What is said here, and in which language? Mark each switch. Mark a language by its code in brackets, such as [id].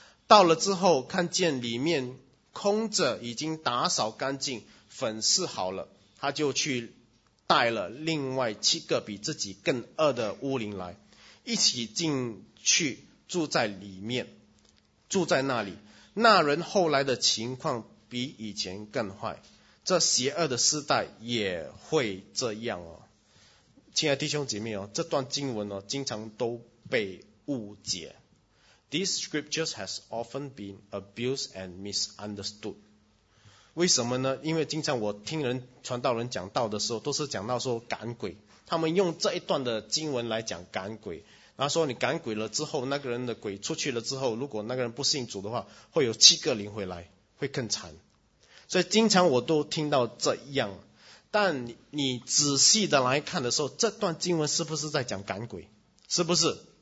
[zh] 到了之后看见里面空着，已经打扫干净粉饰好了，他就去带了另外七个比自己更恶的巫灵来，一起进去住在里面，住在那里。那人后来的情况比以前更坏，这邪恶的世代也会这样哦。亲爱的弟兄姐妹哦，这段经文哦，经常都被误解。 [en] These scriptures has often been abused and misunderstood. [zh] 为什么呢？因为经常我听人传道人讲道的时候，都是讲到说赶鬼，他们用这一段的经文来讲赶鬼，然后说你赶鬼了之后，那个人的鬼出去了之后，如果那个人不信主的话，会有七个灵回来，会更惨。所以经常我都听到这样，但你仔细的来看的时候，这段经文是不是在讲赶鬼？是不是？